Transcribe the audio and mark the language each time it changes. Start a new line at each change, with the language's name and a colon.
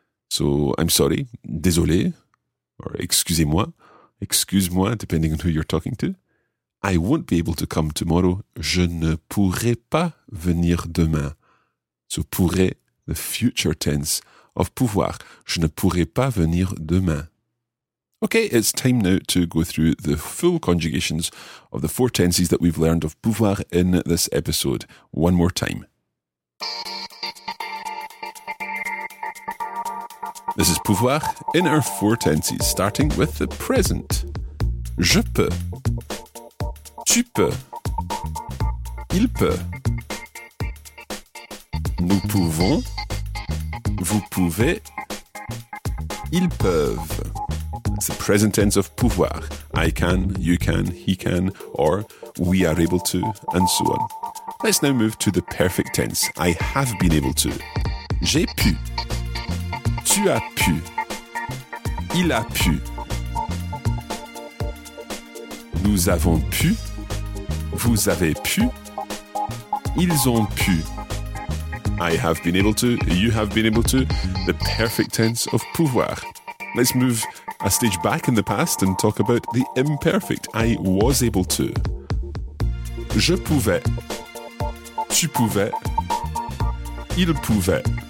English: So I'm sorry,
French: désolé,
English: or
French: excusez-moi. Excuse-moi,
English: depending on who you're talking to. I won't be able to come tomorrow.
French: Je ne pourrai pas venir demain.
English: So pourrai, the future tense of pouvoir.
French: Je ne pourrai pas venir demain.
English: Okay, it's time now to go through the full conjugations of the four tenses that we've learned of pouvoir in this episode. One more time. This is pouvoir in our four tenses, starting with the present.
French: Je peux. Tu peux. Il peut. Nous pouvons. Vous pouvez. Ils peuvent.
English: It's the present tense of pouvoir. I can, you can, he can, or we are able to, and so on. Let's now move to the perfect tense. I have been able to.
French: J'ai pu. Tu as pu. Il a pu. Nous avons pu. Vous avez pu. Ils ont pu.
English: I have been able to, you have been able to, the perfect tense of pouvoir. Let's move a stage back in the past and talk about the imperfect. I was able to.
French: Je pouvais. Tu pouvais. Il pouvait.